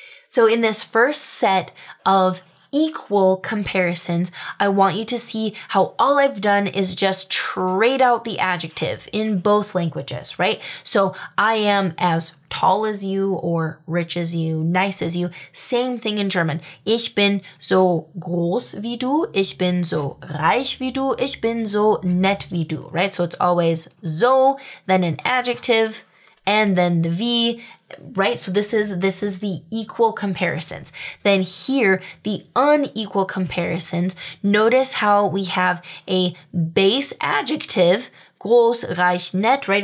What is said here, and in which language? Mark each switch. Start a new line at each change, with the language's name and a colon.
English: So in this first set of equal comparisons, I want you to see how all I've done is just trade out the adjective in both languages, right? So I am as tall as you, or rich as you, nice as you. Same thing in German.
German: Ich bin so groß wie du, ich bin so reich wie du, ich bin so nett wie du, right?
English: So it's always so, then an adjective, and then the V, right? So this is the equal comparisons. Then here, the unequal comparisons, notice how we have a base adjective, groß, reich, nett, right?